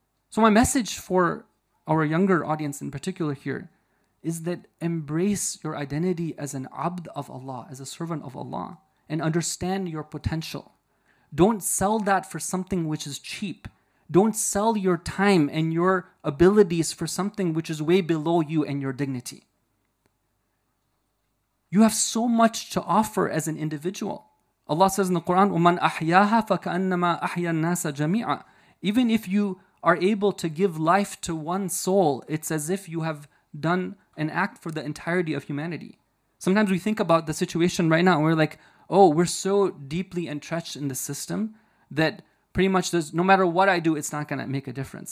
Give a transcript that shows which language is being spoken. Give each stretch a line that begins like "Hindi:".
English: So my message for our younger audience in particular here is that embrace your identity as an abd of Allah, as a servant of Allah, and understand your potential. Don't sell that for something which is cheap. Don't sell your time and your abilities for something which is way below you and your dignity. You have so much to offer as an individual.
Arabic: Allah says in the Quran, وَمَنْ أَحْيَاهَا فَكَأَنَّمَا أَحْيَا النَّاسَ جَمِيعًا.
English: Even if you are able to give life to one soul, it's as if you have done an act for the entirety of humanity. Sometimes we think about the situation right now and we're like, oh, we're so deeply entrenched in the system that pretty much there's, no matter what I do, it's not going to make a difference.